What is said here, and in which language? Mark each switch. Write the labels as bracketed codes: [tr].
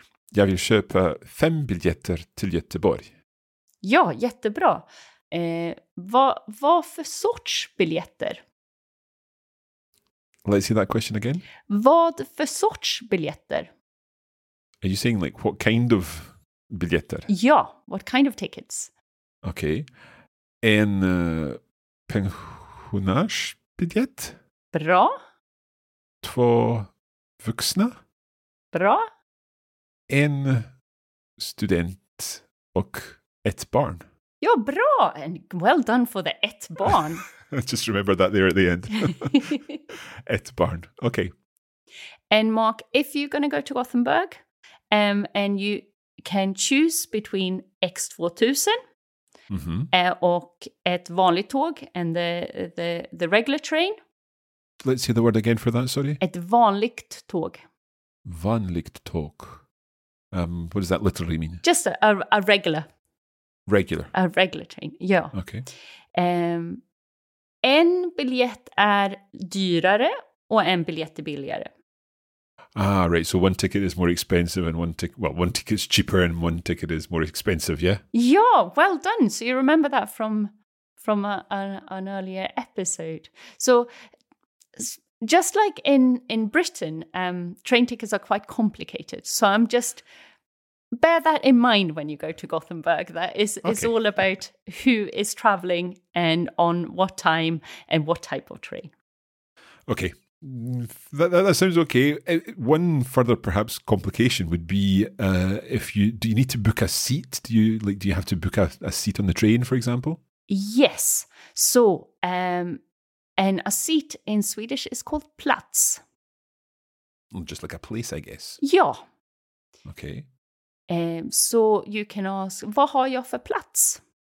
[sv] Jag vill köpa fem biljetter till Göteborg. Ja, jättebra. Vad för sorts biljetter? [en] Let's see that question again. [sv] Vad för sorts biljetter? [en] Are you saying like what kind of biljetter? Ja, what kind of tickets? [sv] Okej. Okay. En pensionärsbiljett? Bra. Två vuxna? Bra. En student och ett barn. Ja, bra. [en] And well done for the [sv] ett barn. [en] Just remember that there at the end. [sv] Ett barn. [en] Okay. And Mark, if you're going to go to Gothenburg and you can choose between X2000, mm-hmm, [sv] och ett vanligt tåg [en] and the regular train. Let's hear the word again for that, sorry. [sv] Ett vanligt tåg. Vanligt tåg. [en] What does that literally mean? Just a regular. Regular. A regular train, ja. Okay. [sv] En biljett är dyrare och en biljett är billigare. [en] Ah, right. So one ticket is more expensive and one ticket is cheaper and one ticket is more expensive, yeah? Ja, well done. So you remember that from an earlier episode. So just like in Britain, train tickets are quite complicated. So I'm just, bear that in mind when you go to Gothenburg. That is, okay, it's all about who is traveling and on what time and what type of train. Okay. That sounds okay. One further perhaps complication would be if you need to book a seat? Do you have to book a seat on the train, for example? Yes. So, and a seat in Swedish is called plats. Just like a place, I guess. [sv] Ja. [en] Okay. So you can ask, [sv] vad har jag för plats?